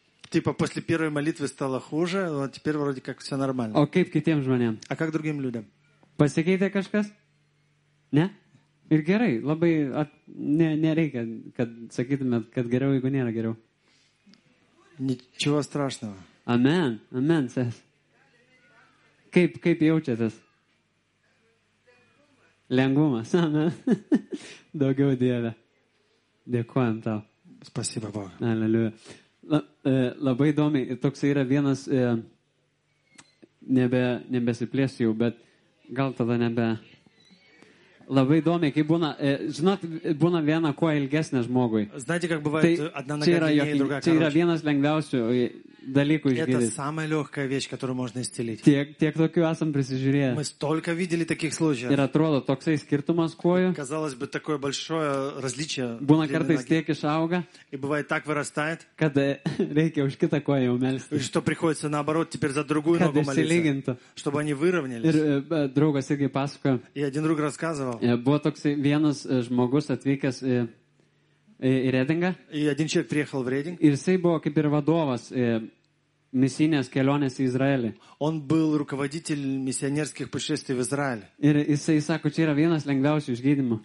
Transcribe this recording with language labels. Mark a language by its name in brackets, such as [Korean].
[Russian] Типа после первой молитвы стало хуже, но теперь вроде как все нормально. [Lithuanian] О, как китем жмонем? [Russian] А как другим людям? [Lithuanian] Pasikeitė kažkas? Ne? Ir gerai, labai nereikia, kad sakytumėt, kad geriau, jeigu nėra geriau. [Russian] Ничего страшного. [Lithuanian] Amen, amen, sės. Kaip jaučiatės? Lengvumas. Amen. Daugiau Dieve. Dėkuojam tau. [Russian] Спасибо, Бог. [Lithuanian] Aleliuja. Labai įdomiai, toks yra vienas, nebesiplėsiu jau, bet gal tada nebe. Labai įdomiai, kai būna, žinot, būna viena kuo ilgesnė žmogui. [Russian] Знаете, как бывает tai, одна нога длиннее, другая короче. [Lithuanian] Čia yra vienas lengviausių dalykų išgydyti. [Russian] Это самая легкая вещь, которую можно исцелить. [Lithuanian] Tiek tokių esam prisižiūrėję. [Russian] Мы столько видели таких случаев. [Lithuanian] Ir atrodo, toksai skirtumas kojų. [Russian] Казалось бы, такое большое различие. [Lithuanian] Būna kartais tiek išauga. [Russian] И бывает так вырастает. [Lithuanian] Kad reikia už kitą koją jau melstis. [Russian] Что приходится наоборот, теперь за другую ногу молиться. Чтобы они выровнялись. [Lithuanian] Ir draugas irgi pasakojo. [Russian] И один друг рассказывал. [Lithuanian] Buvo toksai vienas žmogus atvykęs į Redingą. [Russian] И один человек приехал в Рединг. [Lithuanian] Ir jisai buvo kaip ir vadovas misijinės kelionės į Izraelį. [Russian] Он был руководитель миссионерских путешествий в Израиль. [Lithuanian] Ir jisai sako, čia yra vienas lengviausių išgydymų.